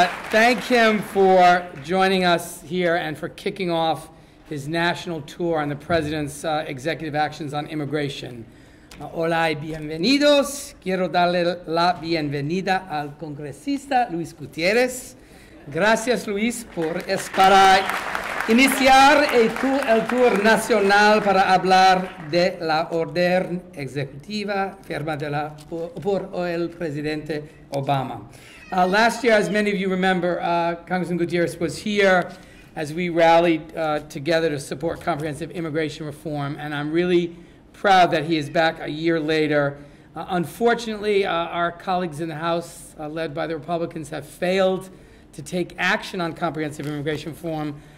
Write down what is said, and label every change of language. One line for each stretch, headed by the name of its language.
English: Thank him for joining us here and for kicking off his national tour on the President's executive actions on immigration.
Spanish: Hola y bienvenidos. Quiero darle la bienvenida al congresista Luis Gutiérrez. Gracias, Luis, por estar aquí. Iniciar el tour nacional para hablar de la orden ejecutiva firmada por el presidente Obama.
English: Last year, as many of you remember, Congressman Gutierrez was here as we rallied together to support comprehensive immigration reform, and I'm really proud that he is back a year later. Unfortunately, our colleagues in the House, led by the Republicans, have failed to take action on comprehensive immigration reform.